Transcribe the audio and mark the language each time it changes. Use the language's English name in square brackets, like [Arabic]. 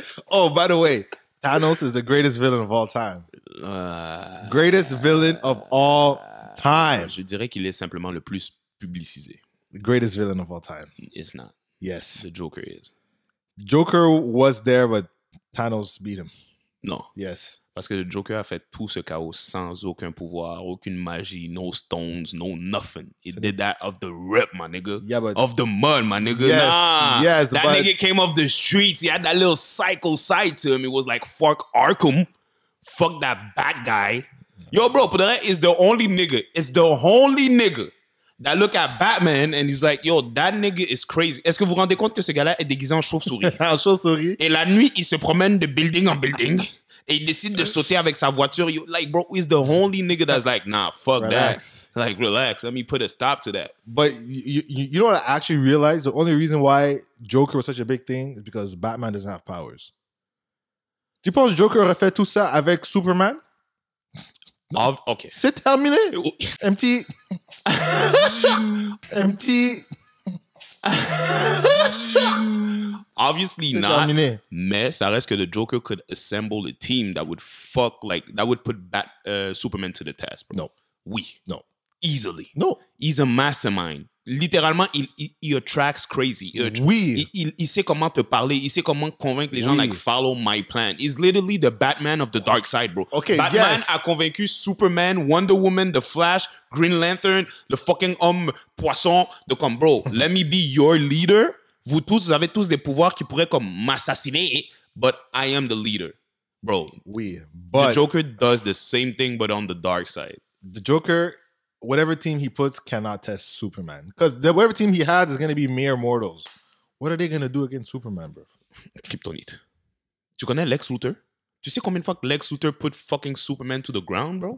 [English] Oh, by the way, Thanos is the greatest villain of all time. Greatest villain of all time. [French] Je dirais qu'il est simplement le plus publicisé. [English] The greatest villain of all time. It's not. Yes. The Joker is. Joker was there, but Thanos beat him. [French] Non. [English] Yes. [French] Parce que le Joker a fait tout ce chaos sans aucun pouvoir, aucune magie, [English] no stones, no nothing. He did that off the rip, my nigga. Yeah, but off the mud, my nigga. Yes, That nigga came off the streets. He had that little psycho side to him. It was like, fuck Arkham. Fuck that bad guy. Yo, bro, Pudere is the only nigga. It's the only nigga that look at Batman and he's like, yo, that nigga is crazy. [French] Est-ce que vous rendez compte que ce gars-là est déguisé en chauve-souris? En chauve-souris. Et la nuit, il se promène de building en building et il décide de sauter avec sa voiture. [English] You, like, bro, he's the only nigga that's like, nah, fuck relax. That. Like, relax. Let me put a stop to that. But you know what I actually realized? The only reason why Joker was such a big thing is because Batman doesn't have powers. [French] Tu penses que Joker aurait fait tout ça avec Superman? Ok. C'est terminé. Empty. [English] Obviously not. [French] Terminé. Mais ça reste que le [English] Joker could assemble a team that would fuck, like, that would put Superman to the test. Bro. No. [French] Oui. [English] No. Easily. No. He's a mastermind. [French] Littéralement, [English] he attracts crazy. [French] Oui. Il sait comment te parler. Il sait comment convaincre les gens, oui. [English] Like, follow my plan. He's literally the Batman of the dark side, bro. Okay, Batman, yes. [French] A convaincu Superman, Wonder Woman, The Flash, Green Lantern, le fucking homme poisson. [English] De comme, bro, let me be your leader. [French] Vous tous, vous avez tous des pouvoirs qui pourraient comme m'assassiner. [English] But I am the leader, bro. Oui, but... The Joker does the same thing, but on the dark side. The Joker... Whatever team he puts cannot test Superman. Because whatever team he has is going to be mere mortals. What are they going to do against Superman, bro? Kryptonite. [French] Tu connais Lex Luthor? Tu sais combien de fois [English] Lex Luthor put fucking Superman to the ground, bro?